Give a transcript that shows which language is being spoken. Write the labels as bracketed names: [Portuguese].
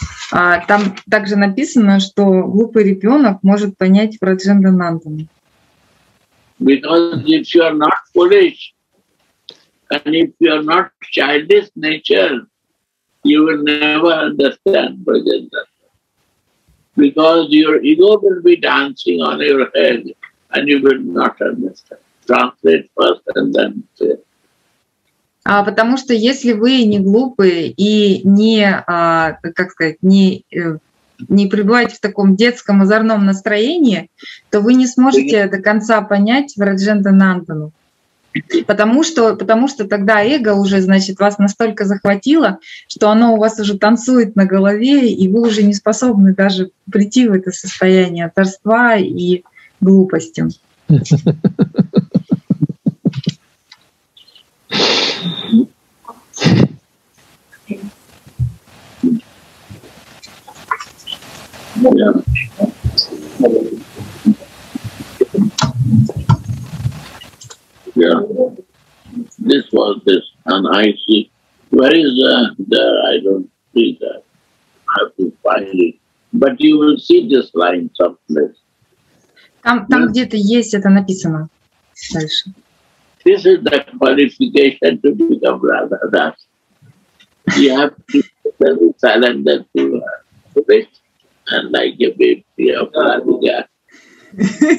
[Russian] Там также написано, что глупый ребенок может понять Брадженданандану. [English] Because if you are not foolish and if you are not childish nature, you will never understand Brajendranandan. Because your ego will be dancing on your head and you will not understand. Translate first and then say. [Russian] Потому что если вы не глупы и не, как сказать, не пребываете в таком детском озорном настроении, то вы не сможете до конца понять Брадженданандану. Потому что тогда эго уже, значит, вас настолько захватило, что оно у вас уже танцует на голове, и вы уже не способны даже прийти в это состояние торжества и глупости. [English] Yeah. This was this, and I see. Where is there? I don't see that. I have to find it. But you will see this line someplace. [Russian] Там где-то есть это написано. Дальше. [English] This is the qualification to become Radha Das. You have to be very silent and to rest and like a baby of Radha Das.